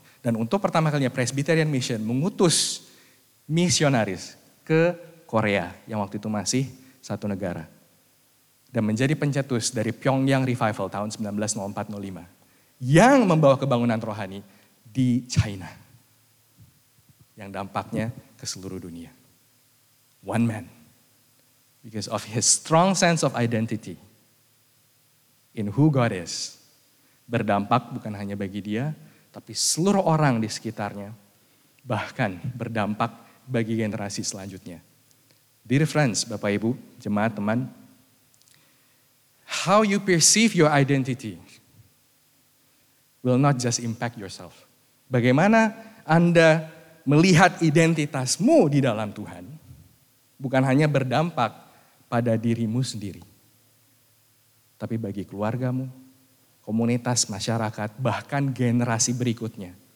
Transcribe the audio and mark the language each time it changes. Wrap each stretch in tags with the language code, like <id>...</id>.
<id>Dan untuk pertama kalinya Presbyterian Mission mengutus misionaris ke Korea, yang waktu itu masih satu negara. Dan menjadi pencetus dari Pyongyang Revival tahun 1904-05. Yang membawa kebangunan rohani di China. Yang dampaknya ke seluruh dunia.</id> <en>One man. Because of his strong sense of identity in who God is.</en> <id>Berdampak bukan hanya bagi dia, tapi seluruh orang di sekitarnya. Bahkan berdampak bagi generasi selanjutnya.</id> <en>Dear friends,</en> <id>Bapak Ibu, jemaat teman.</id> <en>How you perceive your identity will not just impact yourself.</en> <id>Bagaimana Anda melihat identitasmu di dalam Tuhan, bukan hanya berdampak pada dirimu sendiri, tapi bagi keluargamu, komunitas, masyarakat, bahkan generasi berikutnya.</id>